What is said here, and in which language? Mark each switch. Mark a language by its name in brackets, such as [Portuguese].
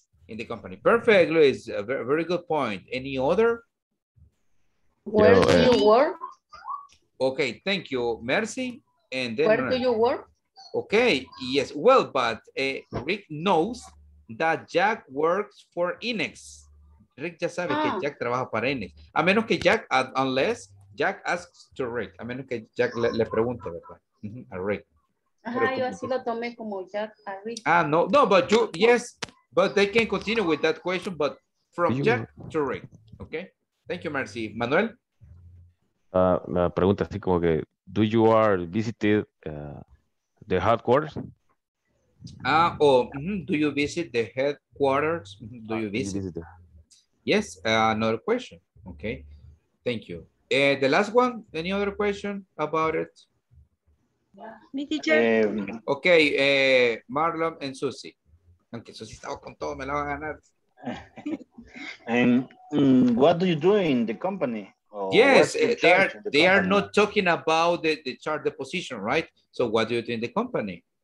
[English] In the company. Perfect, Luis. A very, very good point. Any other? Where do you work? Okay, thank you, Mercy. And then, where do you work? Okay, yes. Well, but Rick knows that Jack works for Inex. [Spanish] Rick ya sabe que Jack trabaja para Inex. A menos que Jack, [English] unless Jack asks to Rick. [Spanish] A menos que Jack le pregunte, ¿verdad? Mm-hmm. A Rick. Ajá, yo así lo tomé como Jack a Rick. [English] Ah, no, no, but you, yes. But they can continue with that question, but from Jack to Rick. Okay, thank you, Mercy. Manuel? [Spanish] La pregunta así como que, [English] do you are visited the headquarters? Do you visit the headquarters? Do you visit? Yes, another question. Okay, thank you. The last one, any other question about it? Me teacher. Okay, Marlon and Susie. [Spanish] Aunque Susie estaba con todo, me la va a ganar. [English] And what do you do in the company? Oh, yes, they are not talking about the chart, the position, right? So what do you do in the company?